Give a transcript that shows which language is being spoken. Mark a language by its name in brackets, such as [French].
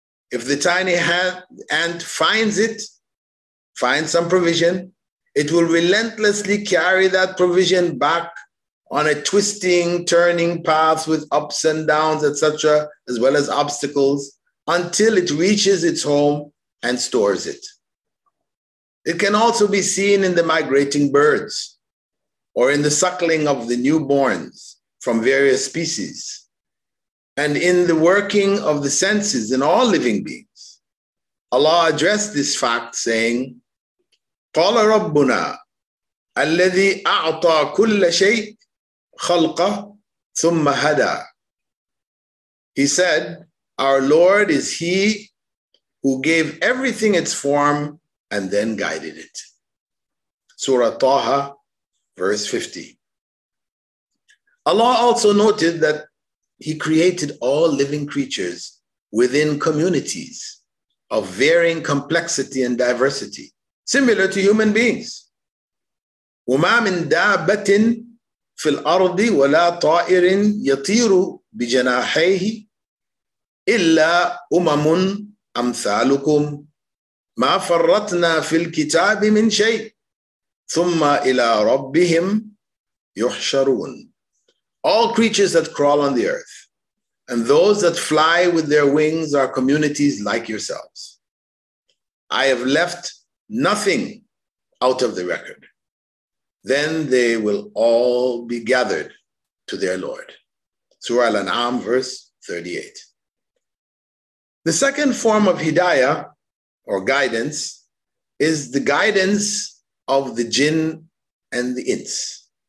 [English] If the tiny ant finds some provision, it will relentlessly carry that provision back on a twisting, turning path with ups and downs, etc., as well as obstacles, until it reaches its home and stores it. It can also be seen in the migrating birds or in the suckling of the newborns from various species, and in the working of the senses in all living beings. Allah addressed this fact saying, [Arabic] قَالَ رَبُّنَا الَّذِي أَعْطَى كُلَّ شَيْءٍ خَلْقَهُ ثُمَّ هَدَى. [English] He said, our Lord is he who gave everything its form and then guided it. Surah Taha, verse 50. Allah also noted that he created all living creatures within communities of varying complexity and diversity, similar to human beings. [Arabic] وَمَا مِنْ دَابَّةٍ فِي الْأَرْضِ وَلَا طَائِرٍ يَطِيرُ بِجَنَاحَيْهِ إِلَّا أُمَمٌ أَمْثَالُكُمْ مَا فَرَّطْنَا فِي الْكِتَابِ مِنْ شَيْءٍ ثُمَّ إِلَىٰ رَبِّهِمْ يُحْشَرُونَ. [English] All creatures that crawl on the earth, and those that fly with their wings are communities like yourselves. I have left nothing out of the record. Then they will all be gathered to their Lord. Surah Al-An'am, verse 38. The second form of hidayah, or guidance, is the guidance of the jinn and the ins.